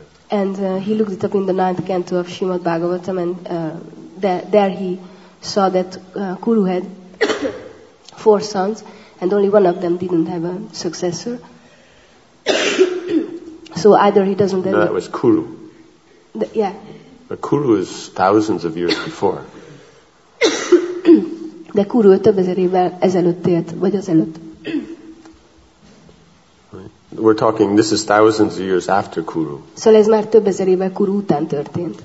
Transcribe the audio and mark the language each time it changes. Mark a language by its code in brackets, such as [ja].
[en] And he looked it up in the ninth canto of Srimad Bhagavatam, and there he saw that Kuru had 4 sons, and only one of them didn't have a successor. So either he doesn't... No, that was Kuru. Yeah. But Kuru is thousands of years before. [hu] De Kuru több ezer évvel ezelőtt élt, vagy azelőtt. [en] We're talking, this is thousands of years after Kuru. [hu] Szóval ez már több ezer évvel Kuru után történt.